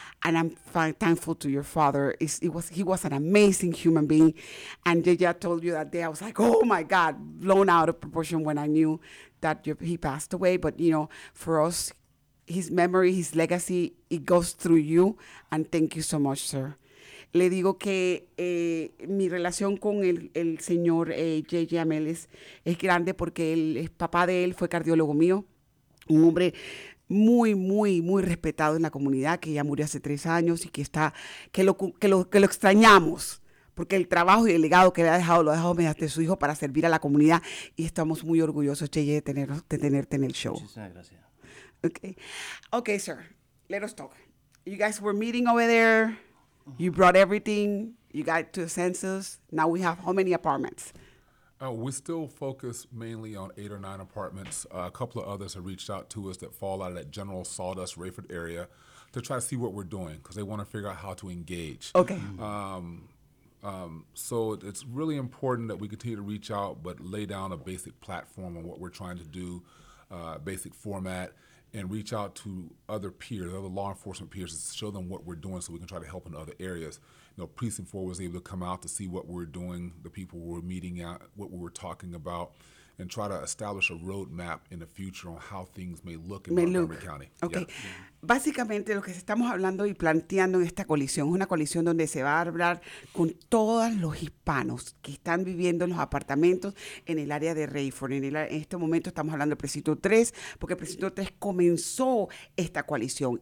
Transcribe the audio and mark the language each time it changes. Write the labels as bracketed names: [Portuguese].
[English] And I'm thankful to your father. He was an amazing human being. And Yaya told you that day, I was like, oh my God, blown out of proportion when I knew that he passed away. But you know, for us, his memory, his legacy, it goes through you. And thank you so much, sir. [Spanish] Le digo que mi relación con el señor J.J. Ameles es grande porque el papá de él fue cardiólogo mío, un hombre muy, muy, muy respetado en la comunidad, que ya murió hace 3 años y que lo extrañamos, porque el trabajo y el legado que le ha dejado, lo ha dejado mediante su hijo para servir a la comunidad, y estamos muy orgullosos, J.J., de tenerte en el show. Muchísimas gracias. [English] Okay, sir, let us talk. You guys were meeting over there. You brought everything. You got to the census. Now we have how many apartments? We still focus mainly on 8 or 9 apartments. A couple of others have reached out to us that fall out of that general Sawdust Rayford area to try to see what we're doing because they want to figure out how to engage. Okay. So it's really important that we continue to reach out but lay down a basic platform on what we're trying to do, basic format, and reach out to other peers, other law enforcement peers, to show them what we're doing so we can try to help in other areas. You know, Precinct 4 was able to come out to see what we're doing, the people we were meeting at, what we were talking about, and try to establish a roadmap in the future on how things may look in Montgomery County. Okay. Yeah. [Spanish] Básicamente, lo que estamos hablando y planteando en esta coalición es una coalición donde se va a hablar con todos los hispanos que están viviendo en los apartamentos en el área de Rayford. En este momento estamos hablando del precinto 3, porque el precinto 3 comenzó esta coalición.